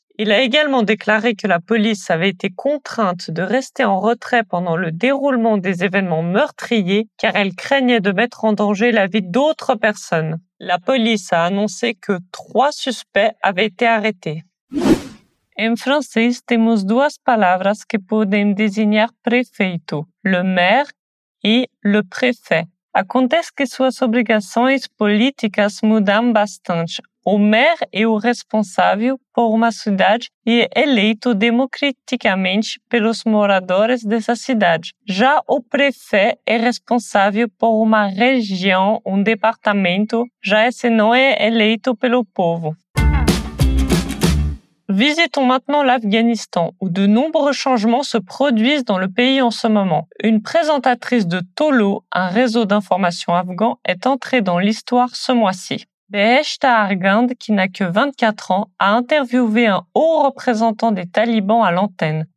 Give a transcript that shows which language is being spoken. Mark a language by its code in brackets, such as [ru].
[fr] Il a également déclaré que la police avait été contrainte de rester en retrait pendant le déroulement des événements meurtriers car elle craignait de mettre en danger la vie d'autres personnes. La police a annoncé que 3 suspects avaient été arrêtés. En français, nous avons 2 [pt] palabras que podem designar prefeito, [fr] le maire et le préfet. [pt] Acontece que suas obrigações políticas mudam bastante. O maire é o responsável por uma cidade e é eleito democraticamente pelos moradores dessa cidade. Já o prefeito é responsável por uma região, departamento, já esse não é eleito pelo povo. [fr] Visitons maintenant l'Afghanistan, où de nombreux changements se produisent dans le pays en ce moment. Une présentatrice de Tolo, un réseau d'information afghan, est entrée dans l'histoire ce mois-ci. Behesta Argand, qui n'a que 24 ans, a interviewé un haut représentant des talibans à l'antenne.